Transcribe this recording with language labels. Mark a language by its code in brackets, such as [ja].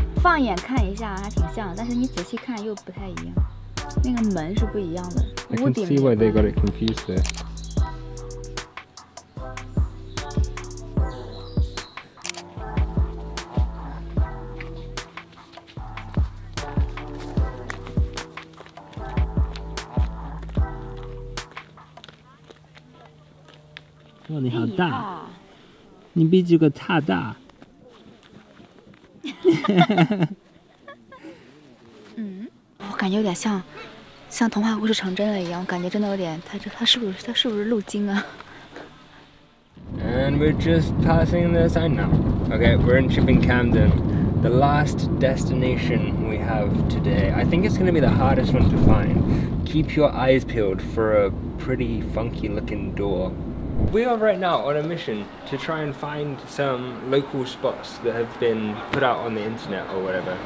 [zh] 放眼看一下还挺像，但是你仔细看又不太一样。那个门是不一样的。 [en] I can see why they got it confused there. [zh] Wow, 你好大。你比这个塔大。嗯，我感觉有点像童话故事成真了一样，感觉真的有点，它是不是路经啊 [en] ？And we're just passing the sign now. Okay, we're in Chipping Camden, the last destination we have today. I think it's going to be the hardest one to find. Keep your eyes peeled for a pretty funky-looking door. We are right now on a mission to try and find some local spots that have been put out on the internet or whatever.